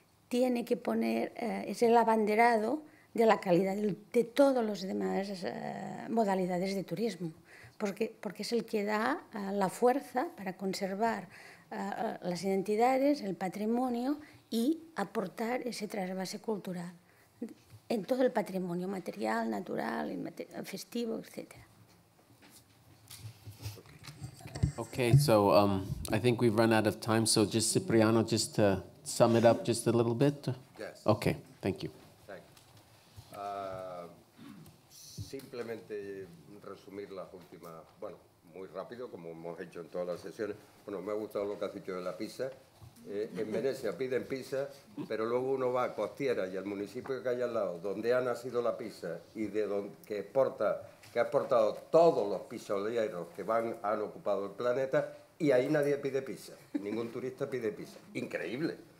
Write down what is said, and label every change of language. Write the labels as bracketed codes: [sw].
[es] tiene que poner, es el abanderado de la calidad de todas las demás modalidades de turismo, porque es el que da la fuerza para conservar las identidades, el patrimonio y aportar ese trasvase cultural en todo el patrimonio material, natural, festivo, etc. [en] Okay, so I think we've run out of time, so just Cipriano, just to sum it up just a little bit. Yes. Okay, thank you. Thank you. [es] Simplemente resumir las últimas, bueno, muy rápido, como hemos hecho en todas las sesiones. Bueno, me ha gustado lo que has dicho de la pizza. En Venecia piden pizza, pero luego uno va a Costiera y al municipio que hay al lado, donde ha nacido la pizza y de donde que ha exportado todos los pizzolieros que han ocupado el planeta, y ahí nadie pide pizza, ningún turista pide pizza. Increíble.